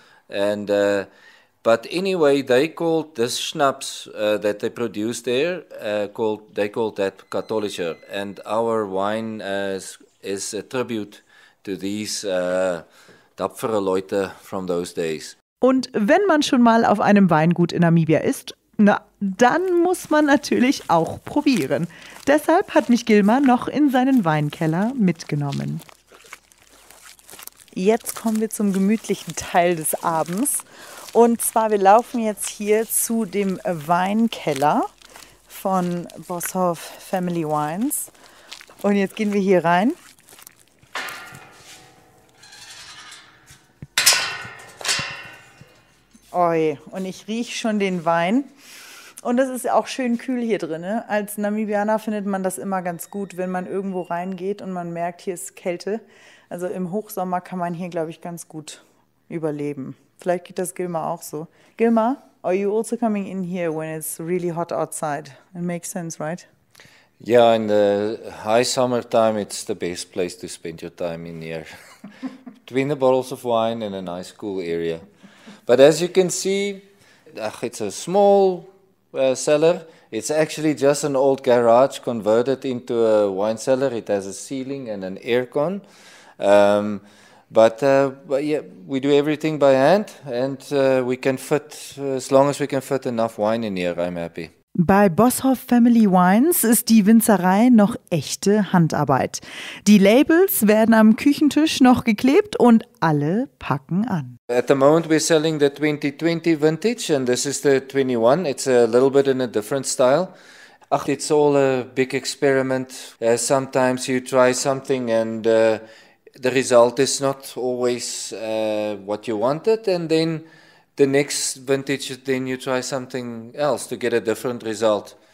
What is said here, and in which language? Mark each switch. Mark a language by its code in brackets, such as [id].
[en] And but anyway, they called this schnapps that they produced there, called that Katholischer. And our wine is a tribute to these [de] tapfere Leute [en] from those days. [de] Und wenn man schon mal auf einem Weingut in Namibia ist, na, dann muss man natürlich auch probieren. Deshalb hat mich Gilmar noch in seinen Weinkeller mitgenommen. Jetzt kommen wir zum gemütlichen Teil des Abends. Und zwar, wir laufen jetzt hier zu dem Weinkeller von Boshoff Family Wines. Und jetzt gehen wir hier rein. Oi, und ich rieche schon den Wein. Und es ist auch schön kühl hier drin. Ne? Als Namibianer findet man das immer ganz gut, wenn man irgendwo reingeht und man merkt, hier ist Kälte. Also im Hochsommer kann man hier, glaube ich, ganz gut überleben. Vielleicht geht das Gilmar auch so. [en] Gilmar, are you also coming in here when it's really hot outside? It makes sense, right? Yeah, in the high summertime, it's the best place to spend your time in here. Between the bottles of wine and a nice cool area. But as you can see, it's a small cellar. It's actually just an old garage converted into a wine cellar. It has a ceiling and an aircon. But yeah, we do everything by hand, and we can fit, as long as we can fit enough wine in here, I'm happy. [de] Bei Boshoff Family Wines ist die Winzerei noch echte Handarbeit. Die Labels werden am Küchentisch noch geklebt und alle packen an. [en] At the moment we're selling the 2020 vintage and this is the 21. It's a little bit in a different style. Ach, it's all a big experiment. Sometimes you try something and the result is not always what you wanted and then the next vintage, then you try something else to get a different result.